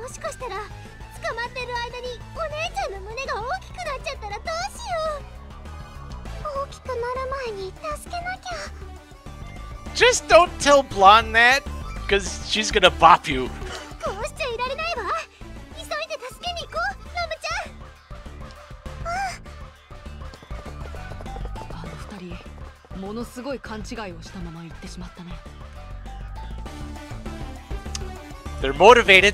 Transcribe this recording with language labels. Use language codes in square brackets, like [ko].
[ja] もしかしたら捕まってる間にお姉ちゃんの胸が大きくなっちゃったらどうしよう。大きくなる前に助けなきゃ。 [en] Just don't tell Blonde that, because she's gonna bop you. [ja] こうしちゃいられないわ。急いで助けに行こう、ラムちゃん。あの二人、ものすごい勘違いをしたまま行ってしまったね。 [en] They're motivated.